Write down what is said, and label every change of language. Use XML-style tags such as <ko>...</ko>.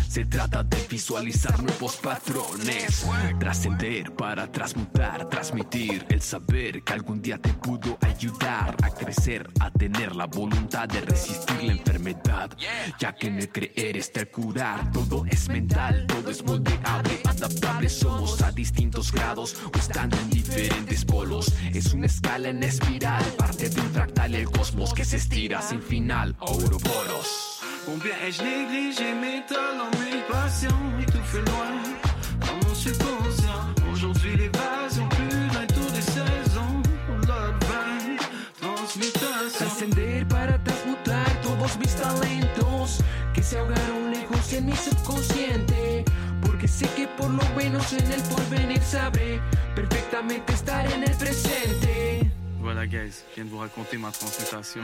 <es>Se trata de visualizar nuevos patrones, trascender para transmutar, transmitir el saber que algún día te pudo ayudar a crecer, a tener la voluntad de resistir la enfermedad. Ya que en el creer está el curar, todo es mental, todo es moldeable, adaptable. Somos a distintos grados o estando en diferentes polos. Es una escala en espiral, parte de un fractal, el cosmos que se estira sin final. Ouroboros.</es> <fr>Combien ai-je négligé mes talents, mes passions, étouffé loin dans mon subconscient. Aujourd'hui l'évasion pure, un tour des saisons,</fr> <en>love vibe,</en> <fr>transmutation.</fr> <es>Ascender para transmutar todos mis talentos que se ahogaron lejos en mi subconsciente. Porque sé que por lo menos en el porvenir sabré perfectamente estar en el presente.</es> <fr>Voilà, guys, je viens de vous raconter ma transmutation.</fr>